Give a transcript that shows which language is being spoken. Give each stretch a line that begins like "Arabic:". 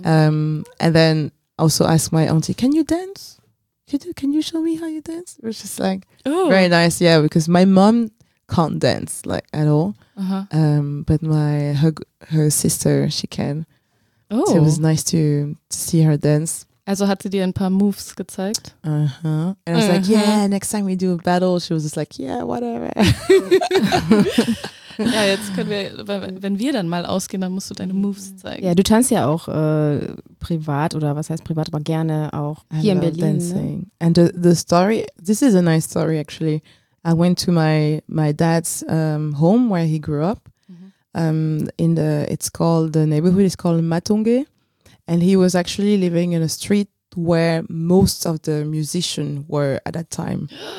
English: And then I also asked my auntie, can you dance? Can you show me how you dance? It was just like, ooh. Very nice. Yeah, because my mom can't dance like at all. Uh-huh. But my her sister, she can. Oh. So it was nice to see her dance.
German: Also hat sie dir ein paar Moves gezeigt? Uh-huh.
English: And I was like, yeah, next time we do a battle, she was just like, yeah, whatever.
German: Ja, jetzt können wir, wenn wir dann mal ausgehen, dann musst du deine Moves zeigen. Ja, du tanzt ja auch privat oder was heißt privat, aber gerne auch hier in Berlin.
English: Dancing. Ne? And the story, this is a nice story actually. I went to my dad's home where he grew up. Mm-hmm. The neighborhood is called Matonge, and he was actually living in a street where most of the musicians were at that time.